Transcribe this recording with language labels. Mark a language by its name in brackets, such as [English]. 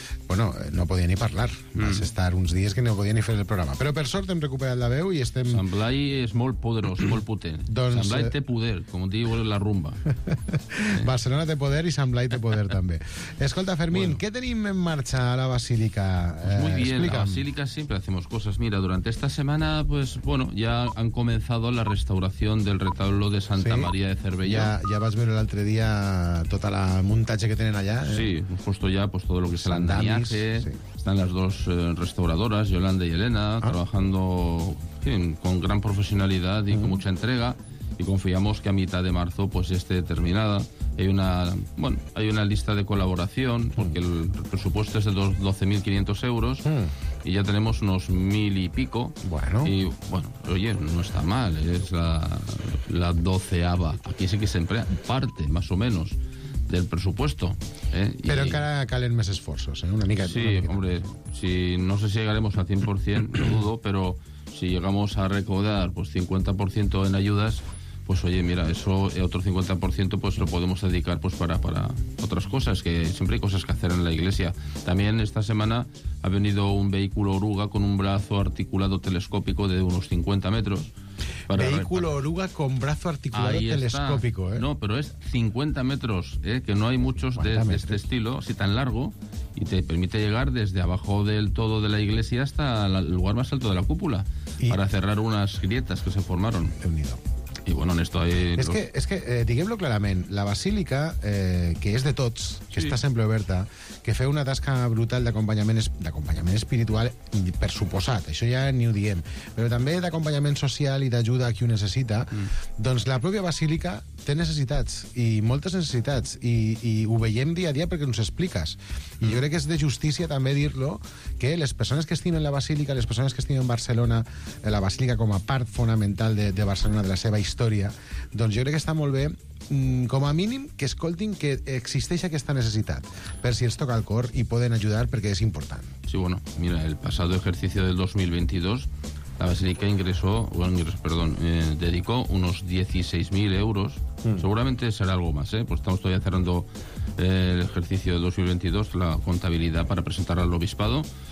[Catalan] Bueno, no podia ni parlar. Vas estar uns dies que no podia ni fer el programa. Però per sort hem recuperat la veu i estem... Sant Blai és molt poderós, molt potent. Doncs... Sant Blai té poder, com diu la rumba. Barcelona té poder i Sant Blai té poder també. Escolta, Fermín, bueno, què tenim en marxa a la Basílica? [Spanish] Pues muy bien, explica'm. La Basílica siempre hacemos cosas. Mira, durante esta semana, pues bueno, ya han comenzado la restauración del retablo de Santa María de Cervelló. [Catalan] Ja vas veure l'altre dia tota la muntatge que tenen allà. [Spanish] Sí, justo ya, pues todo lo que se l'han dañado. Están las dos restauradoras, Yolanda y Elena, trabajando con gran profesionalidad y con mucha entrega, y confiamos que a mitad de marzo pues esté terminada. Hay una lista de colaboración, porque el presupuesto es de 12.500 euros y ya tenemos unos 1.000 y pico. Bueno. Y bueno, oye, no está mal, es la doceava. Aquí sí que se emplea parte, más o menos, del presupuesto. [Catalan] Pero encara calen més esforços, una mica. Sí, una mica. [Spanish] Hombre, si no sé si llegaremos al 100%, no dudo, pero si llegamos a recaudar pues 50% en ayudas, pues oye, mira, eso, otro 50% pues lo podemos dedicar pues para otras cosas, que siempre hay cosas que hacer en la iglesia. También esta semana ha venido un vehículo oruga con un brazo articulado telescópico de unos 50 metros. Vehículo oruga con brazo articulado ahí telescópico, está. No, pero es 50 metros, que no hay muchos de este estilo, así tan largo, y te permite llegar desde abajo del todo de la iglesia hasta el lugar más alto de la cúpula, para cerrar unas grietas que se formaron. Unido. Y bueno, en esto hay... [Catalan] Diguem-lo clarament, la basílica, que és de tots, que està sempre oberta, que feu una tasca brutal d'acompanyament espiritual, per suposat, això ja ni ho diem, però també d'acompanyament social i d'ajuda a qui ho necessita, doncs la pròpia basílica té necessitats, i moltes necessitats, i ho veiem dia a dia perquè ens expliques. I jo crec que és de justícia també dir-lo, que les persones que estimen la basílica, les persones que estimen Barcelona, la basílica com a part fonamental de Barcelona, de la seva història, doncs jo crec que està molt bé, com a mínim, que escoltin que existeix aquesta necessitat, per si els toca el cor i poden ajudar, perquè és important. [Spanish] Sí, bueno, mira, [Catalan] el passat exercici [Spanish] del 2022, la Basílica dedicó unos 16.000 euros. Seguramente será algo más, ¿eh? Pues estamos todavía cerrando el ejercicio de 2022, la contabilidad para presentar al obispado.